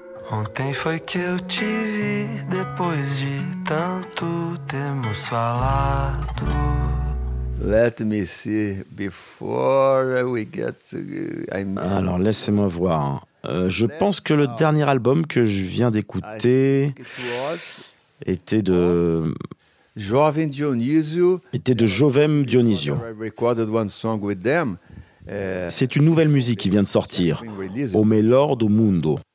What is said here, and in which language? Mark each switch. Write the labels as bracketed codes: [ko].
[pt] Ontem foi que eu te vi, depois de tanto termos falado. [en] Let me see before we get to... [fr] Alors laissez-moi voir. Je pense que le dernier album que je viens d'écouter était de Jovem Dionísio. Était de Jovem Dionísio. [en] I recorded one song with them. [fr] C'est une nouvelle musique qui vient de sortir, O Melhor do Mundo.